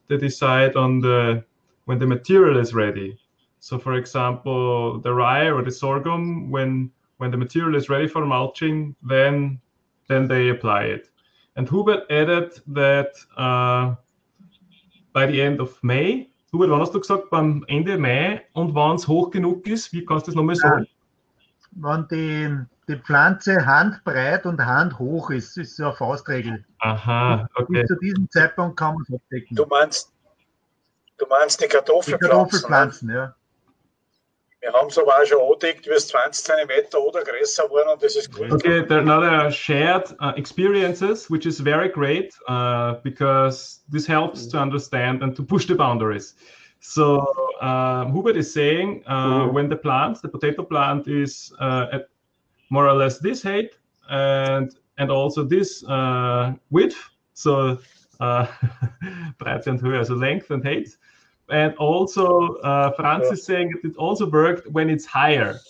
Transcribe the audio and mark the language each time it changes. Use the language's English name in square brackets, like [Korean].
[English] They decide on the when the material is ready. So, for example, the rye or the sorghum, when the material is ready for mulching, then they apply it. And Hubert added that by the end of May. [German] Hubert, wann hast du gesagt, beim Ende Mai und wann es hoch genug ist? Wie kannst du das nochmal sagen? Wann die Pflanze handbreit und handhoch ist, ist so eine Faustregel. Aha, okay. Bis zu diesem Zeitpunkt kann man es abdecken. Du meinst die Kartoffelpflanzen, ja. Wir haben es aber auch schon angedeckt, wie es 20 cm oder größer geworden und das ist gut. [English] Okay, there are another shared experiences, which is very great, because this helps to understand and to push the boundaries. So, Hubert is saying, when the potato plant is at more or less this height and also this width, so [German] Breite und Höhe, [English] also length and height, and also Franz is saying it also worked when it's higher.